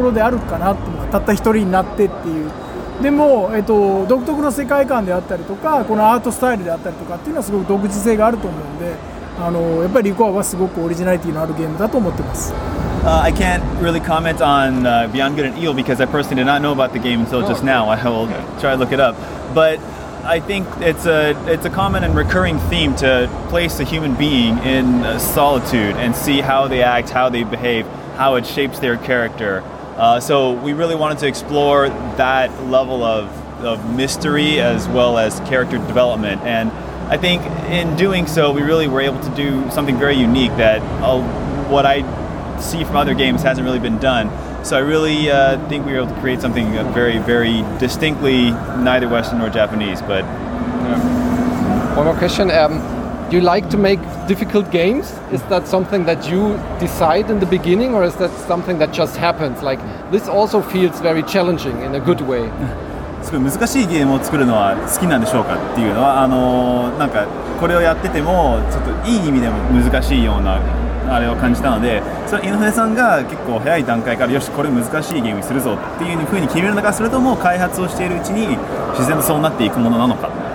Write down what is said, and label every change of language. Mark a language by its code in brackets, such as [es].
[ja] すごい欧州のビヨンドグッド&イーブルっていうゲームにも少し似てるんじゃないかっていう味を僕遊んでた感じなんですけど、まあ、その一人で異世界に行って、で、その中でもコンパニオンがいて冒険するっていう設定はなんか似てるんじゃないかなと、ちょっと感じたそうです。はい、あの、そのゲーム知らないんで、あの、なんとも言えないですけども、やっぱり、あの、まあ、テーマとしてはいろいろあるテーマかなと、いろんなところであるかなと、たった一人になってっていう。でも、独特の世界観であったりとか、このアートスタイルであったりとかっていうのはすごく独自性があると思うんで、あの、やっぱりリコアはすごくオリジナリティのあるゲームだと思ってます。 [en] I can't really comment on Beyond Good and Evil because I personally did not know about the game until just now. I will try to look it up. But I think it's a common and recurring theme to place a human being in solitude and see how they act, how they behave, how it shapes their character. So we really wanted to explore that level of mystery as well as character development. And I think in doing so, we really were able to do something very unique that what I see from other games hasn't really been done. So I really think we were able to create something very, very distinctly neither Western nor Japanese. But yeah. One more question. Do you like to make difficult games? Is that something that you decide in the beginning, or is that something that just happens? Like, this also feels very challenging in a good way. [ja] すごい難しいゲームを作るのは好きなんでしょうかっていうのは、あの、なんか、これをやってても、ちょっといい意味でも難しいような、あれを感じたので、それ、井上さんが結構早い段階から、よし、これ難しいゲームにするぞっていうふうに決めるのか、それとも開発をしているうちに、自然とそうなっていくものなのか。